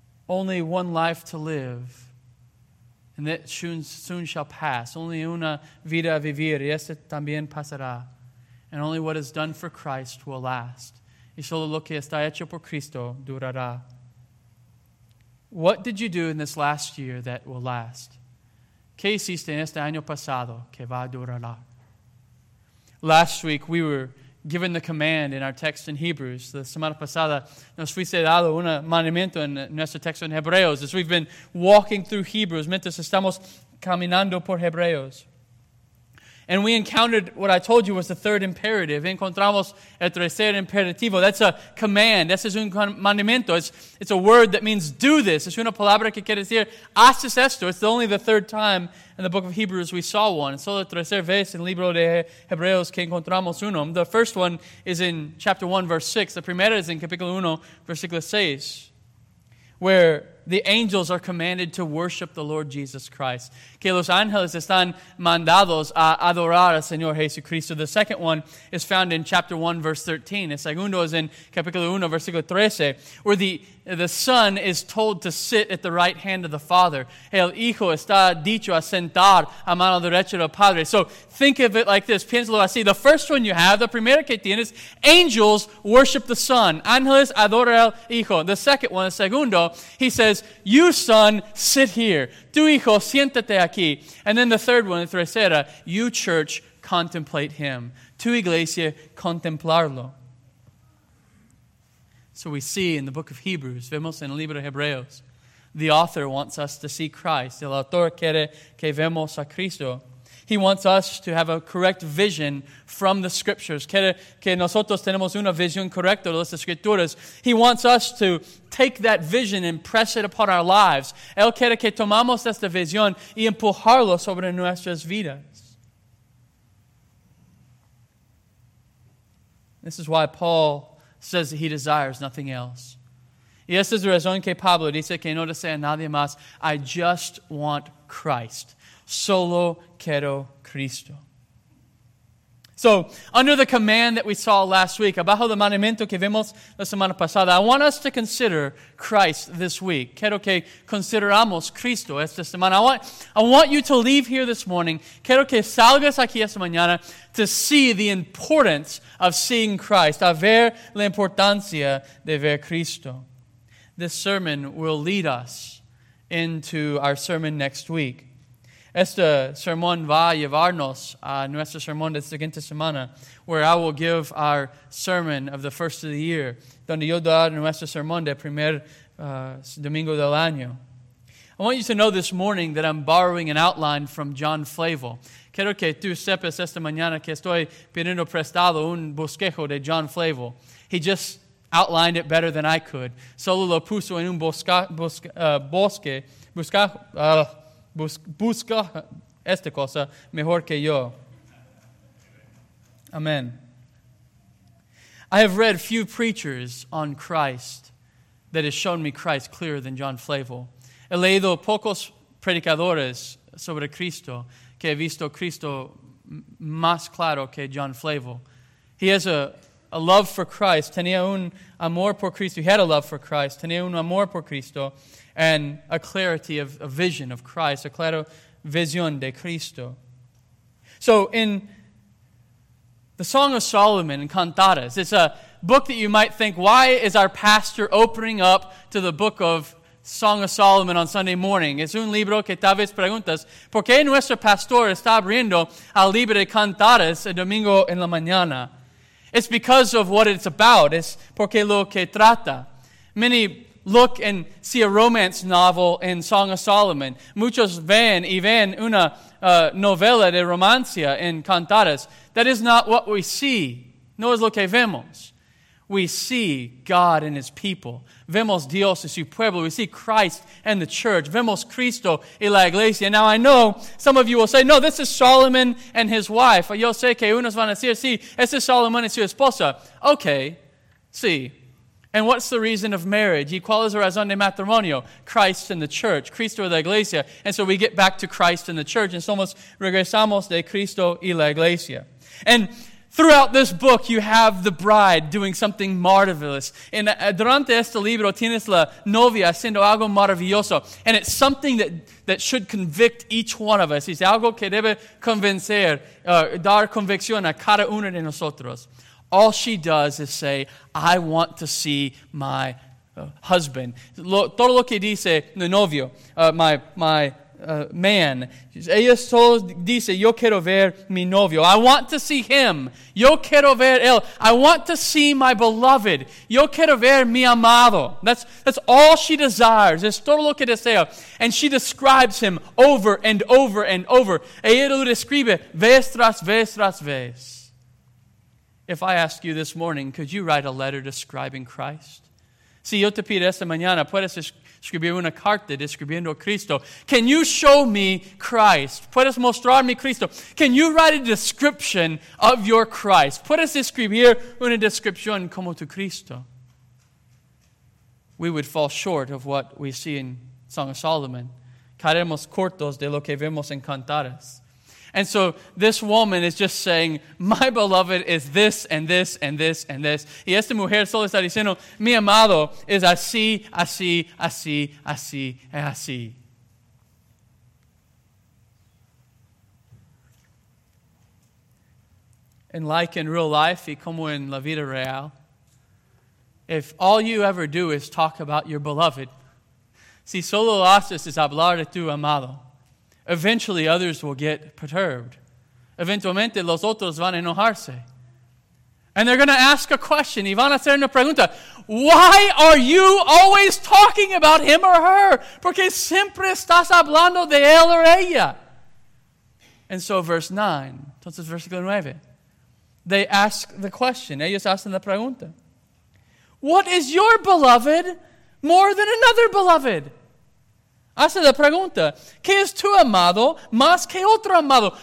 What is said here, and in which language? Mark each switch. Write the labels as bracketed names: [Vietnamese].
[English] Only one life to live, and that soon shall pass. [Spanish] Only una vida a vivir, y este también pasará. [English] And only what is done for Christ will last. [Spanish] Y solo lo que está hecho por Cristo durará. [English] What did you do in this last year that will last? [Spanish] ¿Qué hiciste en este año pasado que va a durar? [English] Last week we were given the command in our text in Hebrews. [Spanish] La semana pasada nos fuiste dado un mandamiento en nuestro texto en Hebreos. [English] As we've been walking through Hebrews, [Spanish] mientras estamos caminando por Hebreos. [English] And we encountered what I told you was the third imperative. [Spanish] Encontramos el tercer imperativo. [English] That's a command. [Spanish] Ese es un mandamiento. [English] It's a word that means do this. [Spanish] Es una palabra que quiere decir haces esto. [English] It's only the third time in the book of Hebrews we saw one. [Spanish] Es solo la tercera vez en el libro de Hebreos que encontramos uno. [English] The first one is in chapter 1, verse 6. The [Spanish] primera [English] is in [Spanish] capítulo 1, versículo 6, [English] where the angels are commanded to worship the Lord Jesus Christ. [Spanish] Que los ángeles están mandados a adorar al Señor Jesucristo. [English] The second one is found in chapter 1, verse 13. [Spanish] El segundo es en capítulo 1, versículo 13, [English] where the Son is told to sit at the right hand of the Father. [Spanish] El Hijo está dicho a sentar a mano derecha del Padre. [English] So think of it like this. [Spanish] Piénsalo así. [English] The first one you have, the [Spanish] primera que tienes, [English] angels worship the Son. [Spanish] Ángeles adoran al Hijo. [English] The second one, [Spanish] el segundo, [English] he says, you, Son, sit here. [Spanish] Tu Hijo, siéntate aquí. [English] And then the third one, the [Spanish] tercera, [English] you, church, contemplate him. [Spanish] Tu iglesia, contemplarlo. [English] So we see in the book of Hebrews, [Spanish] vemos en el libro de Hebreos, [English] the author wants us to see Christ. [Spanish] El autor quiere que vemos a Cristo. [English] He wants us to have a correct vision from the Scriptures. [Spanish] Quiere que nosotros tenemos una visión correcta de las Escrituras. [English] He wants us to take that vision and press it upon our lives. [Spanish] Él quiere que tomamos esta visión y empujarlo sobre nuestras vidas. [English] This is why Paul says that he desires nothing else. [Spanish] Y esta es la razón que Pablo dice que no desea nadie más. [English] I just want Christ. [Spanish] Solo quiero Cristo. [English] So, under the command that we saw last week, [Spanish] abajo del mandamiento que vimos la semana pasada, [English] I want us to consider Christ this week. [Spanish] Quiero que consideramos Cristo esta semana. [English] I want you to leave here this morning. [Spanish] Quiero que salgas aquí esta mañana [English] to see the importance of seeing Christ, [Spanish] a ver la importancia de ver Cristo. [English] This sermon will lead us into our sermon next week. [Spanish] Este sermón va a llevarnos a nuestro sermón de la siguiente semana, [English] where I will give our sermon of the first of the year, [Spanish] donde yo daré nuestro sermón de primer domingo del año. [English] I want you to know this morning that I'm borrowing an outline from John Flavel. [Spanish] Quiero que tú sepas esta mañana que estoy pidiendo prestado un bosquejo de John Flavel. [English] He just outlined it better than I could. [Spanish] Solo lo puso en un busca esta cosa mejor que yo. [English] Amen. I have read few preachers on Christ that has shown me Christ clearer than John Flavel. [Spanish] He leído pocos predicadores sobre Cristo que he visto Cristo más claro que John Flavel. [English] He has a love for Christ. [Spanish] Tenía un amor por Cristo. [English] He had a love for Christ. [Spanish] Tenía un amor por Cristo. [English] And a clarity of a vision of Christ, [Spanish] a clara visión de Cristo. [English] So in the Song of Solomon, Cantares, it's a book that you might think, why is our pastor opening up to the book of Song of Solomon on Sunday morning? [Spanish] Es un libro que tal vez preguntas, ¿por qué nuestro pastor está abriendo al libro de Cantares el domingo en la mañana? [English] It's because of what it's about. [Spanish] Es porque lo que trata. [English] Many look and see a romance novel in Song of Solomon. [Spanish] Muchos ven y ven una novela de romancia en Cantares. [English] That is not what we see. [Spanish] No es lo que vemos. [English] We see God and His people. [Spanish] Vemos Dios y su pueblo. [English] We see Christ and the church. [Spanish] Vemos Cristo y la iglesia. [English] Now I know some of you will say, no, this is Solomon and his wife. [Spanish] Yo sé que unos van a decir, sí, ese es Solomon y su esposa. [English] Okay, sí. And what's the reason of marriage? [Spanish] ¿Y cuál es la razón de matrimonio? [English] Christ and the church. [Spanish] Cristo y la iglesia. [English] And so we get back to Christ and the church. And [Spanish] somos regresamos de Cristo y la iglesia. [English] And throughout this book, you have the bride doing something marvelous. [Spanish] And durante este libro, tienes la novia haciendo algo maravilloso. [English] And it's something that should convict each one of us. [Spanish] Es algo que debe convencer, dar convicción a cada uno de nosotros. [English] All she does is say, I want to see my husband. [Spanish] Todo lo que dice mi novio, [English] my man. [Spanish] Ella solo dice, yo quiero ver mi novio. [English] I want to see him. [Spanish] Yo quiero ver él. [English] I want to see my beloved. [Spanish] Yo quiero ver mi amado. [English] That's all she desires. [Spanish] Es todo lo que desea. [English] And she describes him over and over and over. [Spanish] Ella lo describe vez tras vez tras vez. [English] If I ask you this morning, could you write a letter describing Christ? [Spanish] Si yo te pido esta mañana, puedes escribir una carta describiendo a Cristo. [English] Can you show me Christ? [Spanish] Puedes mostrarme Cristo. [English] Can you write a description of your Christ? [Spanish] Puedes escribir una descripción como tu Cristo. [English] We would fall short of what we see in Song of Solomon. [Spanish] Caeremos cortos de lo que vemos en Cantares. [English] And so this woman is just saying, my beloved is this and this and this and this. [Spanish] Y esta mujer solo está diciendo, mi amado es así, así, así, así, y así. [English] And like in real life, [Spanish] y como en la vida real, [English] if all you ever do is talk about your beloved, [Spanish] si solo haces es hablar de tu amado, [English] eventually, others will get perturbed. [Spanish] Eventualmente, los otros van a enojarse. [English] And they're going to ask a question. [Spanish] Y van a hacer una pregunta. [English] Why are you always talking about him or her? [Spanish] Porque siempre estás hablando de él o ella. [English] And so, verse 9. [Spanish] Entonces, versículo 9. [English] They ask the question. [Spanish] Ellos hacen la pregunta. [English] What is your beloved more than another beloved? [Spanish] Hace la pregunta, ¿qué es tu amado más que otro amado?